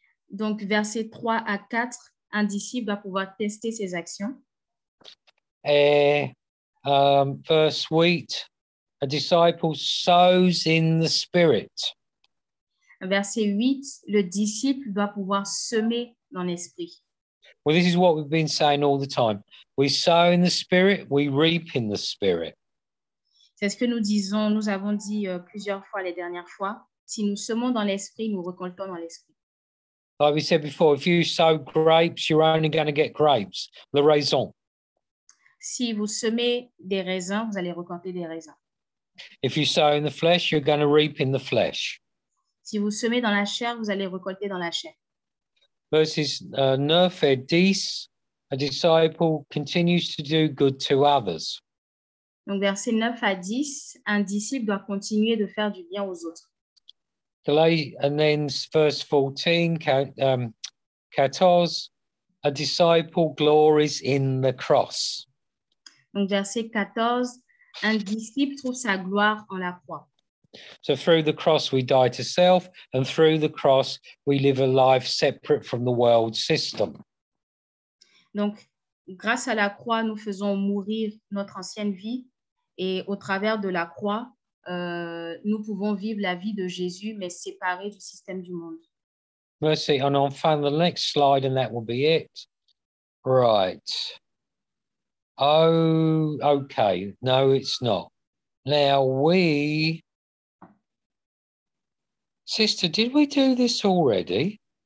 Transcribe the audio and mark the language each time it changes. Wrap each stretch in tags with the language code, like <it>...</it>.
<fr>Donc, versets 3 à 4, un disciple va pouvoir tester ses actions.</fr> <en>Verse 8, a disciple sows in the spirit.</en> <fr>Verset 8, le disciple doit pouvoir semer dans l'esprit.</fr> <en>Well, this is what we've been saying all the time. We sow in the spirit, we reap in the spirit.</en> <fr>C'est ce que nous disons, nous avons dit plusieurs fois les dernières fois. Si nous semons dans l'esprit, nous récoltons dans l'esprit.</fr> <en>Like we said before, if you sow grapes, you're only going to get grapes. The raisin.</en> <fr>Si vous semez des raisins, vous allez récolter des raisins.</fr> <en>If you sow in the flesh, you're going to reap in the flesh.</en> <fr>Si vous semez dans la chair, vous allez récolter dans la chair.</fr> <en>Verses 9 et 10, a disciple continues to do good to others.</en> <fr>Donc versets 9 à 10, un disciple doit continuer de faire du bien aux autres.</fr> <en>And then verse 14, 14, a disciple glories in the cross.</en> <fr>Donc verset 14, un disciple trouve sa gloire en la croix.</fr> <en>So through the cross we die to self, and through the cross we live a life separate from the world system.</en> <fr>Donc grâce à la croix nous faisons mourir notre ancienne vie, et au travers de la croix nous pouvons vivre la vie de Jésus, mais séparés du système du monde. Merci.</fr> <en>And on find the next slide, and that will be it. Right. Oh, okay. No, it's not. Now we... Sister, did we do this already?</en>